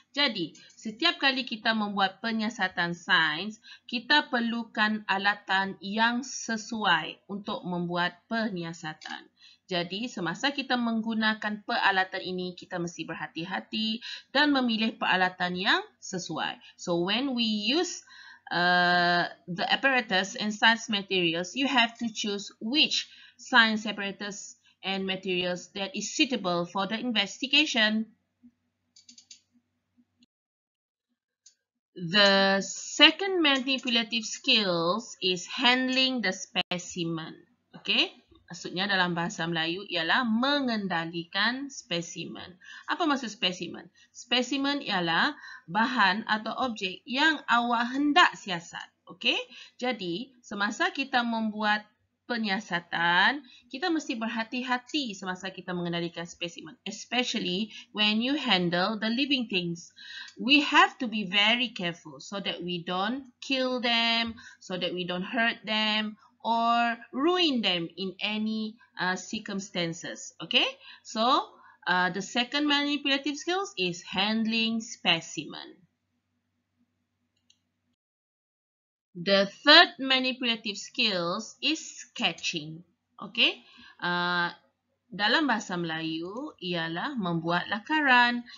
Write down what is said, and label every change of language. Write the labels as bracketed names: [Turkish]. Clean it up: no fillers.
[Malay] Jadi, setiap kali kita membuat penyiasatan sains, kita perlukan alatan yang sesuai untuk membuat penyiasatan. Jadi, semasa kita menggunakan peralatan ini, kita mesti berhati-hati dan memilih peralatan yang sesuai. [English] So, when we use the apparatus and science materials, you have to choose which science apparatus and materials that is suitable for the investigation. The second manipulative skills is handling the specimen. [Malay] Okay, maksudnya dalam bahasa Melayu ialah mengendalikan specimen. Apa maksud specimen? Specimen ialah bahan atau objek yang awak hendak siasat. Okay, jadi semasa kita membuat penyiasatan, kita mesti berhati-hati semasa kita mengendalikan spesimen, [English] especially when you handle the living things. We have to be very careful so that we don't kill them, so that we don't hurt them or ruin them in any circumstances. Okay, so the second manipulative skills is handling specimen. The third manipulative skills is sketching. [Malay] Okay, dalam bahasa Melayu ialah membuat lakaran.